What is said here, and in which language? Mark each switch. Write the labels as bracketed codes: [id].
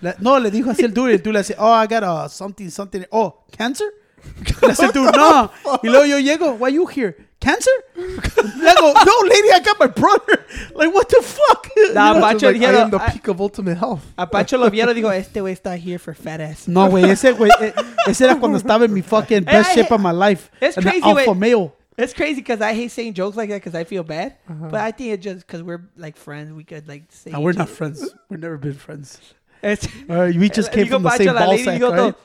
[es] No, le dijo así el dude. El dude le dice, [en] oh, I got something. Oh, cancer? [es] Le dice el dude, no. Y luego yo llego, [en] why you here? Cancer? [es] Le digo, no, [en] lady, I got my brother. Like, what the fuck? Nah, Pacho, like, I am the peak of ultimate health. [es] A Pacho Loviero dijo, este güey está [en] here for fat ass. [es] No, güey, ese güey, ese era cuando estaba en mi [en] fucking best shape of my life. It's crazy, alpha male. It's crazy because I hate saying jokes like that because I feel bad. Uh-huh. But I think it's just because we're like friends. We could like say. No, we're not friends. We've never been friends. We just came from the same ball sack, right?